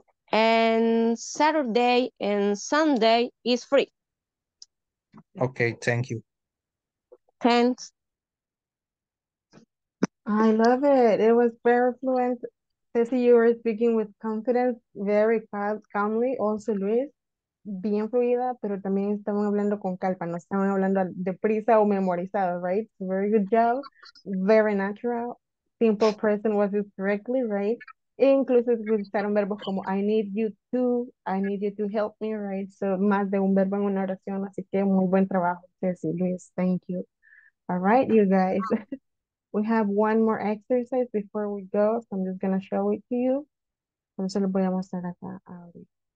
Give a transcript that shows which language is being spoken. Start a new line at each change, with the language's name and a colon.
English: And Saturday and Sunday is free. Okay, thank you. Thanks. I love it. It was very fluent. Ceci, you were speaking with confidence, very calmly.
Spanish: Also, Luis, bien fluida, pero también estaban hablando con calma. No estaban hablando de prisa o memorizado, right?
English: Very good job. Very natural. Simple present was used correctly, right?
Spanish: Incluso utilizaron verbos como
English: I need you to help me, right?
Spanish: So, más de un verbo en una oración. Así que muy buen trabajo, Ceci, Luis.
English: Thank you. All right, you guys. We have one more exercise before we go, so I'm just going to show it to you.
Spanish: Por eso lo voy a mostrar acá ahorita.